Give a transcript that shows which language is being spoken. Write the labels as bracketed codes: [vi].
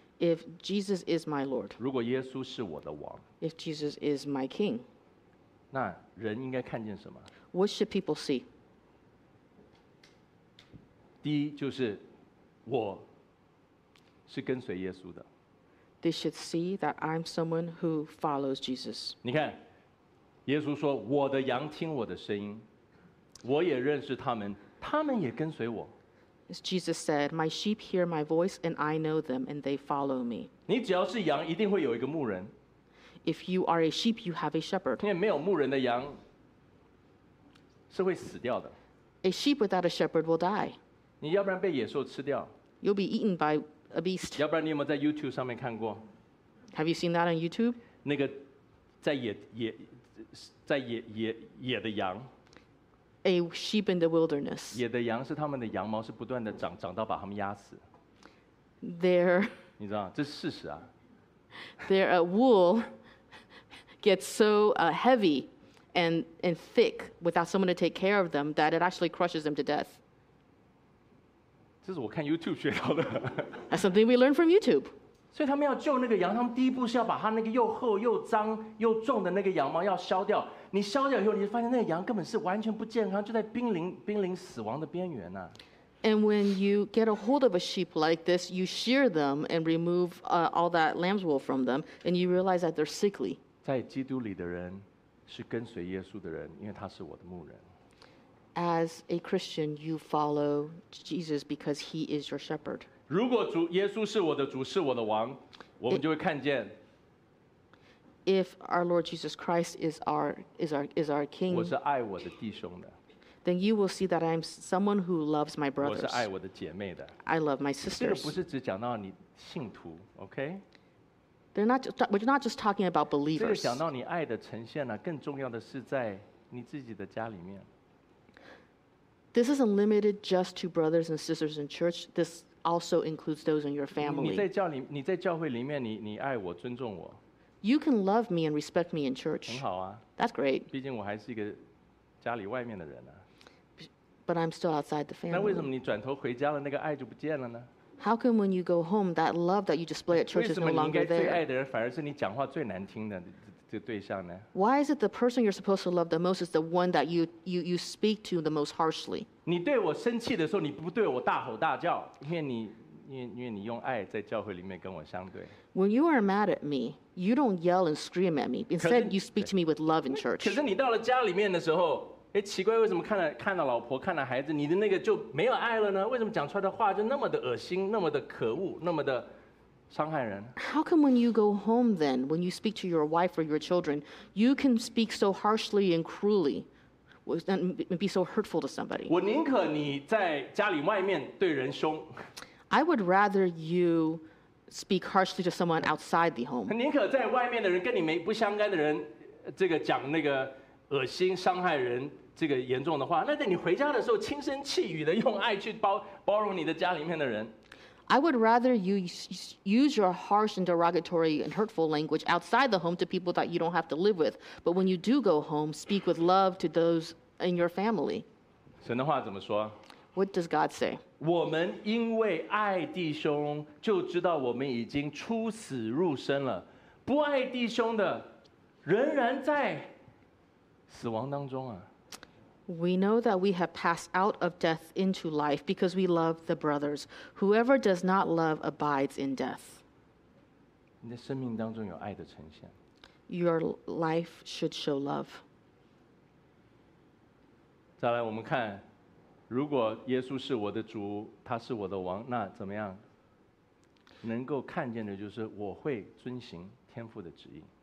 [en] ，If Jesus is my Lord, [zh] 如果耶稣是我的王 [en] ，If Jesus is my King。 [zh] 那人应该看见什么 [en] ？What should people see？ [zh] 第一就是我是跟随耶稣的。 [en] They should see that I'm someone who follows Jesus。 [zh] 你看，耶稣说：“我的羊听我的声音，我也认识他们，他们也跟随我。” [en] As Jesus said, "My sheep hear my voice, and I know them, and they follow me." [zh] 你只要是羊，一定会有一个牧人。 [en] If you are a sheep, you have a shepherd. [zh] 因为没有牧人的羊是会死掉的。 [en] A sheep without a shepherd will die. [zh] 你要不然被野兽吃掉。 [en] You'll be eaten by a beast. [zh] 要不然你有没有在 YouTube 上面看过 [en] ？Have you seen that on YouTube? [zh] 那个在野的羊。 [en] A sheep in the wilderness. [zh] 野的羊是他们的羊毛是不断的长，长到把他们压死。 [en] There. [zh] 你知道这是事实啊。 [en] Their wool gets so heavy and thick without someone to take care of them that it actually crushes them to death. [zh] 这是我看 YouTube 学到的。 [en] That's something we learn from YouTube. [zh] 所以他们要救那个羊，他们第一步是要把他那个又厚又脏又重的那个羊毛要削掉。你削掉以后，你就发现那个羊根本是完全不健康，就在濒临死亡的边缘呢。 [en] And when you get a hold of a sheep like this, you shear them and remove all that lamb's wool from them, and you realize that they're sickly. [zh] 在基督里的人是跟随耶稣的人，因为他是我的牧人。 [en] As a Christian, you follow Jesus because he is your shepherd. [zh] 如果主耶稣是我的主，是我的王，我们就会看见。 [en] If our Lord Jesus Christ is our King, [zh] 我是爱我的弟兄的。 [en] Then you will see that I'm someone who loves my brothers. [zh] 我是爱我的姐妹的。 [en] I love my sisters. [zh] 这个不是只讲到你信徒 ，OK？ [en] We're not just talking about believers. [zh] 这个讲到你爱的呈现呢、啊，更重要的是在你自己的家里面。 [en] This isn't limited just to brothers and sisters in church. This also includes those in your family. [zh] 你在教会里面，你爱我，尊重我。 [en] You can love me and respect me in church. [zh] 很好啊。 [en] That's great. [zh] 毕竟我还是一个家里外面的人呢、啊。 [en] But I'm still outside the family. [zh] 那为什么你转头回家了，那个爱就不见了呢 [en] ？How come when you go home, that love that you display at church is no longer there? [zh] 为什么你应该最爱的人，反而是你讲话最难听的这对象呢 [en] ？Why is it the person you're supposed to love the most is the one that you speak to the most harshly? [zh] 你对我生气的时候，你不对我大吼大叫，因为你用爱在教会里面跟我相对。 [en] When you are mad at me, you don't yell and scream at me. Instead, you speak to me with love in church. [zh] 可是你到了家里面的时候。哎，奇怪，为什么看到老婆，看到孩子，你的那个就没有爱了呢？为什么讲出来的话就那么的恶心，那么的可恶，那么的伤害人 [en] ？How come when you go home then, when you speak to your wife or your children, you can speak so harshly and cruelly, and be so hurtful to somebody? [zh] 我宁可你在家里外面对人凶。 [en] I would rather you speak harshly to someone outside the home. [zh] 宁可在外面的人跟你没不相干的人，这个讲那个。恶心伤害人这个严重的话，那你回家的时候轻声细语的用爱去 包容你的家里面的人。 [en] I would rather you use your harsh and derogatory and hurtful language outside the home to people that you don't have to live with. But when you do go home, speak with love to those in your family. [zh] 神的话怎么说？ [en] What does God say? [zh] 我们因为爱弟兄，就知道我们已经出死入生了。不爱弟兄的，仍然在死亡当中啊。 [en] We know that we have passed out of death into life because we love the brothers. Whoever does not love abides in death. [zh] 你的生命当中有爱的呈现。 [en] Your life should show love. [zh] 再来我们看，如果耶稣是我的主，他是我的王，那怎么样？能够看见的就是我会遵行天父的旨意。